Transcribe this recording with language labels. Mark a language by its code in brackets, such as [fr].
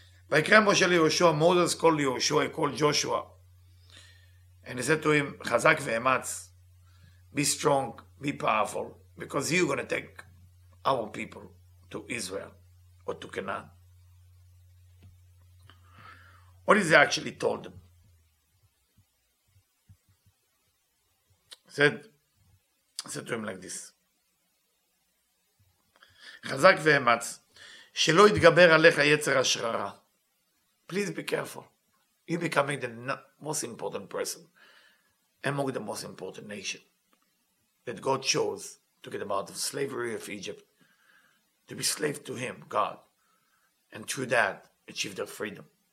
[he] ויקרא משה ליהושע, מוזס קול ליהושע, קול ג'ושע. [en] And he said to him, חזק ואמץ, be strong, be powerful, because you're going to take our people to Israel or to Canaan. What is he actually told them? He said to him like this, חזק ואמץ, שלא יתגבר עליך יצר השררה. Please be careful. You're becoming the most important person among the most important nation that God chose to get them out of slavery of Egypt, to be slave to Him, God, and through that achieve their freedom.